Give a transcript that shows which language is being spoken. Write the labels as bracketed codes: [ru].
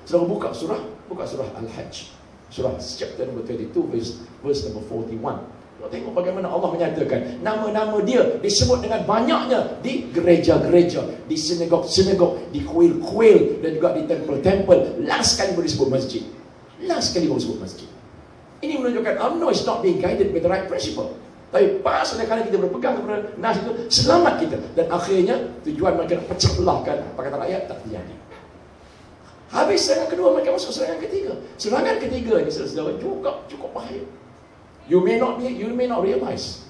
[ms] Selalu buka surah Al-Hajj. Surah [en] chapter number 22 verse number 41. [ms] Kau tengok bagaimana Allah menyatakan nama-nama dia disebut dengan banyaknya di gereja-gereja, di sinagog-sinagog, di kuil-kuil dan juga di temple-temple. Last kali boleh sebut masjid. Last kali boleh sebut masjid. Ini menunjukkan [en] UMNO is not being guided by the right principle. [ms] Tapi pas oleh kerana kita berpegang kepada nas itu, selamat kita. Dan akhirnya tujuan mereka nak pecah belahkan Pakatan Rakyat tak terjadi. Habis serangan kedua, mereka masuk serangan ketiga. Serangan ketiga ini saudara-saudara juga cukup bahaya. [en] You may not realize.